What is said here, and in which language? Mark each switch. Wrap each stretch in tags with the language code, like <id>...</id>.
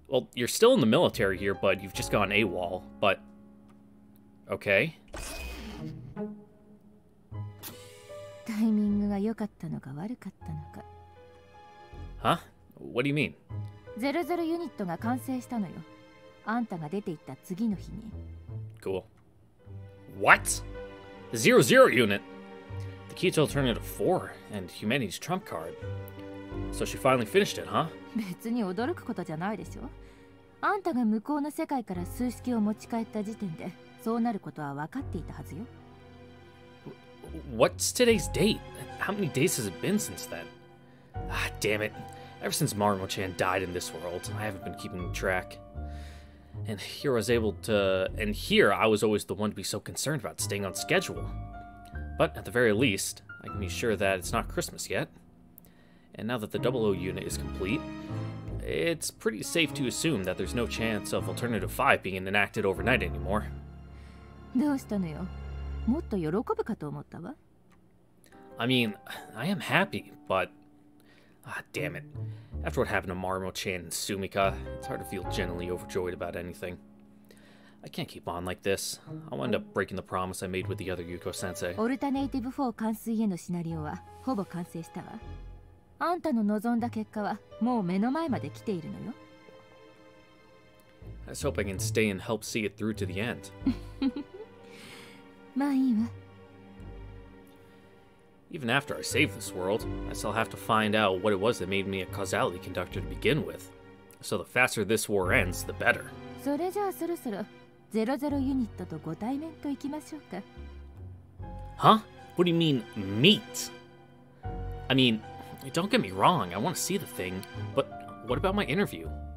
<en>Well, you're still in the military here, but you've just gone AWOL, but... Okay.</en> <ja>タイミングが良かったのか悪かったのか。</ja> <en>Huh? What do you mean?</en> <ja>00 ユニットが完成したのよ。あんたが出て行った次の日に。</ja> <en>Cool. What? The 00 unit? The key to alternative 4 and humanity's trump card. So she finally finished it, huh?</en> <ja>別に驚くことじゃないでしょ。あんたが向こうの世界から数式を持ち帰った時点でそうなることは分かっていたはずよ。</ja> <en>What's today's date? How many days has it been since then? Ah, damn it. Ever since Marmo-chan died in this world, I haven't been keeping track. And here I was always the one to be so concerned about staying on schedule. But at the very least, I can be sure that it's not Christmas yet. And now that the 00 unit is complete, it's pretty safe to assume that there's no chance of Alternative 5 being enacted overnight anymore.</en> <ja>どうしたのよ? もっと喜ぶかと思ったわ。</ja> <en>I mean, I am happy, but... Ah, damn it. After what happened to Marmo-chan and Sumika, it's hard to feel genuinely overjoyed about anything. I can't keep on like this. I'll end up breaking the promise I made with the other Yuko-sensei.</en> <ja>Alternative 4 完遂へのシナリオはほぼ完成したわ。あんたの望んだ結果はもう目の前まで来ているのよ。</ja> <en>I just hope I can stay and help see it through to the end.</en> <ja>まあいいわ。</ja> <en>Even after I save this world, I still have to find out what it was that made me a causality conductor to begin with. So the faster this war ends, the better.</en> <ja>それじゃあそろそろ00ユニットとご対面といきましょうか。</ja> <en>Huh? What do you mean, meet? I mean, don't get me wrong, I want to see the thing, but what about my interview?</en>